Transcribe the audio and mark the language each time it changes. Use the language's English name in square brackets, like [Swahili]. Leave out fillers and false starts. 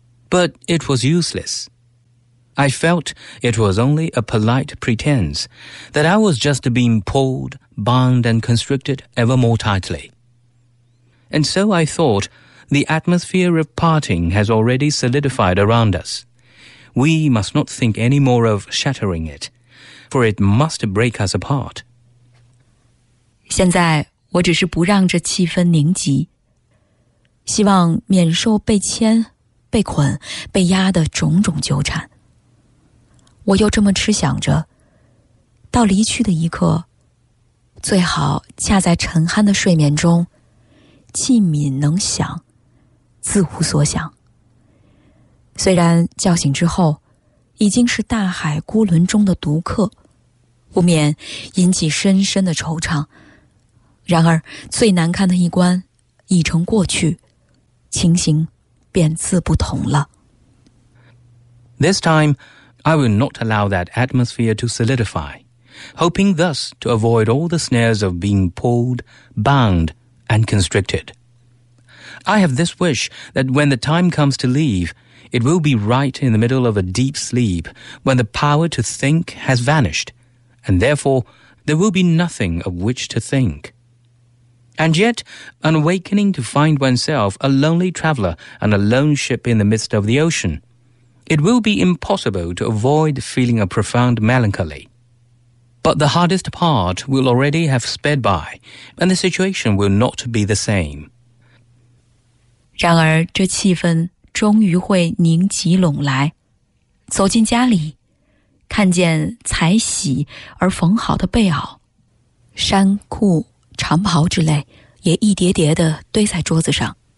[English] But it was useless. I felt it was only a polite pretense, that I was just being pulled, bound, and constricted ever more tightly. And so I thought, the atmosphere of parting has already solidified around us. We must not think any more of shattering it, for it must break us apart. [Chinese] 现在我只是不让这气氛凝集，希望免受被牵、被捆、被压的种种纠缠。我又这么痴想着，到离去的一刻，最好恰在沉酣的睡眠中，气敏能想，自无所想。虽然叫醒之后，已经是大海孤轮中的独客，不免引起深深的惆怅。然而最难堪的一关已成过去，情形便自不同了。 [English] This time, I will not allow that atmosphere to solidify, hoping thus to avoid all the snares of being pulled, bound, and constricted. I have this wish that when the time comes to leave, it will be right in the middle of a deep sleep, when the power to think has vanished, and therefore there will be nothing of which to think. And yet, on awakening to find oneself a lonely traveller and a lone ship in the midst of the ocean, it will be impossible to avoid feeling a profound melancholy. But the hardest part will already have sped by, and the situation will not be the same. [Chinese] 然而这气氛终于会凝集拢来。走进家里，看见才洗而缝好的被袄、衫裤、长袍之类也一叠叠地堆在桌子上。